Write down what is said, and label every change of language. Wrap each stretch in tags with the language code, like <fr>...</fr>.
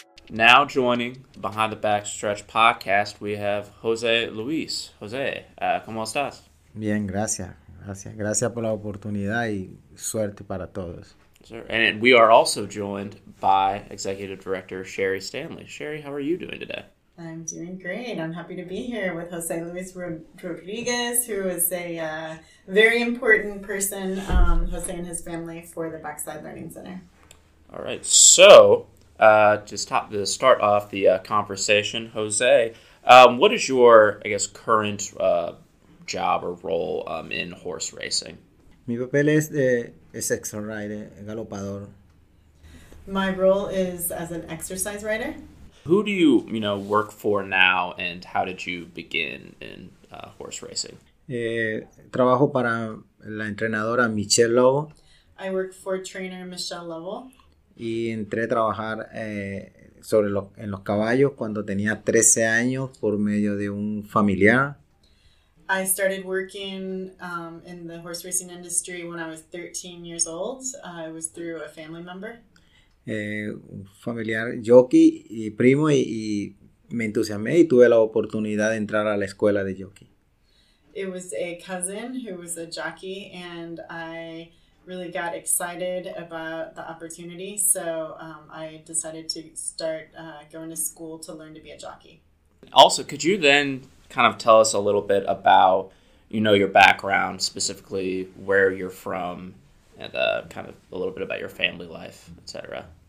<en>Now joining Behind the Backstretch podcast, we have Jose Luis.</en> <es>Jose, ¿cómo estás? Bien, gracias. Gracias. Gracias por la oportunidad y suerte para todos.</es> <en>Sir, and we are also joined by Executive Director Sherry Stanley. Sherry, how are you doing today? I'm doing great. I'm happy to be here with Jose Luis Rodriguez, who is a very important person, Jose and his family, for the Backside Learning Center. All right. So, to start off the conversation, Jose, what is your, I guess, current job or role in horse racing?</en> <es>Mi papel es de exercise rider, galopador.</es> <en>My role is as an exercise rider. Who do you, you know, work for now, and how did you begin in horse racing?</en> <es>Trabajo para la entrenadora Michelle Lowe.</es> <en>I work for trainer Michelle Lowell.</en> <es>Y entré a trabajar en los caballos cuando tenía 13 años por medio de un familiar.</es> <en>I started working in the horse racing industry when I was 13 years old. I was through a family member.</en> <es>Familiar jockey y primo y me entusiasmé y tuve la oportunidad de entrar a la escuela de jockey.</es> <en>It was a cousin who was a jockey and I really got excited about the opportunity, so I decided to start going to school to learn to be a jockey. Also, could you then kind of tell us a little bit about, you know, your background, specifically where you're from, and kind of a little bit about your family life, etc.</en>